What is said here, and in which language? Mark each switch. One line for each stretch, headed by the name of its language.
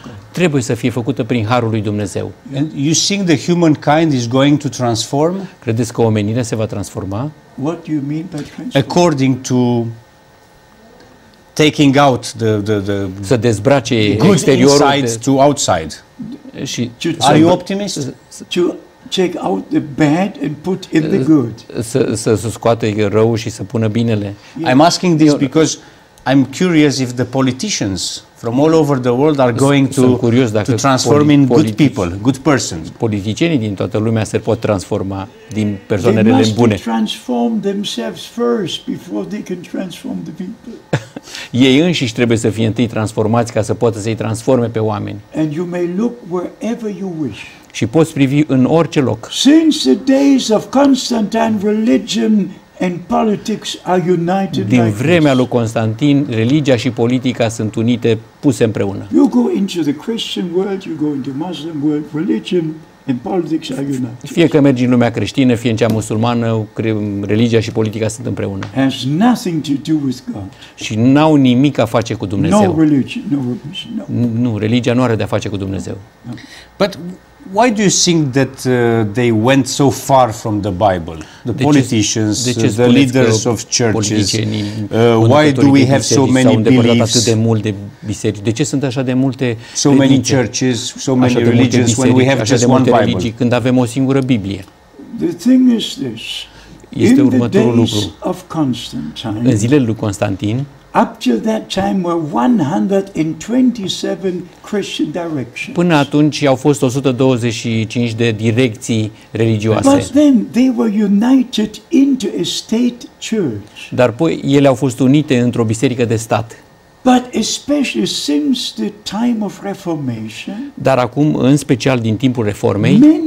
Romanian: Trebuie să fie făcută prin harul lui Dumnezeu.
English: And you think the humankind is going to transform?
Romanian: Credeți că omenirea se va transforma?
English: What do you mean by transform? According to taking out the
Romanian: să dezbrace exteriorul
English: inside to outside.
Romanian: Și
English: are you optimist? To take out the bad and put in the good.
Romanian: Să scoate răul și să pună binele.
English: Yeah. I'm asking this because I'm curious if the politicians from all over the world are going to transform in good people, good persons.
Romanian: Politicienii din toată lumea se pot transforma din persoanele bune.
English: They must transform themselves first before they can transform the people.
Romanian: Ei înșiși trebuie să fie întâi transformați ca să poată să-i transforme pe oameni.
English: And you may look wherever you wish.
Romanian: Și poți privi în orice loc.
English: Since the days of Constantine, religion and politics are united.
Romanian: Din vremea lui Constantin, religia și politica sunt unite, puse împreună.
English: You go into the Christian world, you go into Muslim world, religion and politics are united.
Romanian: Fie că mergi în lumea creștină, fie în cea musulmană, religia și politica sunt împreună.
English: Has nothing to do with God.
Romanian: Și n-au nimic a face cu Dumnezeu.
English: No religion, no religion, no.
Romanian: Nu, religia nu are de a face cu Dumnezeu.
English: But why do you think that they went so far from the Bible? The politicians, the leaders of churches. Why do we have so many beliefs?
Romanian: Atât de multe biserici. De ce sunt așa de multe
English: credințe? So many churches, so many religions when we have just one Bible.
Romanian: Când avem o singură Biblie.
English: The thing is this.
Romanian: Este următorul lucru.
English: Of Constantine.
Romanian: În zilele lui Constantin.
English: Up to that time were 127 Christian directions.
Romanian: Până atunci au fost 125 de direcții religioase.
English: But then they were united into a state church.
Romanian: Dar apoi ele au fost unite într-o biserică de stat.
English: But especially since the time of Reformation.
Romanian: Dar acum, în special din timpul reformei,